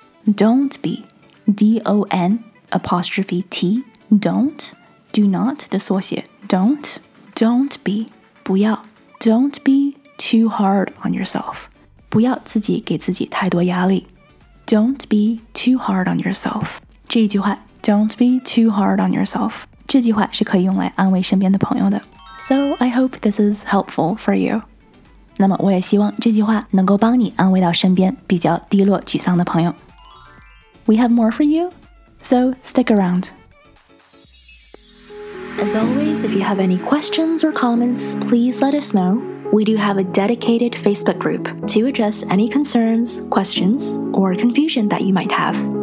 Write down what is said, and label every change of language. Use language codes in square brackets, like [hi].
[en] Don't be, D-O-N, apostrophe T, don't, do not [zh] 的缩写 [en] don't, don't be, [zh] 不要 [en] Don't be too hard on yourself. [zh] 不要自己给自己太多压力 [en] Don't be too hard on yourself. [zh] 这一句话 [en] Don't be too hard on yourself. [zh] 这句话是可以用来安慰身边的朋友的。 [en] So, I hope this is helpful for you. [zh] 那么我也希望这句话能够帮你安慰到身边比较低落沮丧的朋友。 [en] We have more for you, so stick around. As always, if you have any questions or comments, please let us know. We do have a dedicated Facebook group to address any concerns, questions, or confusion that you might have.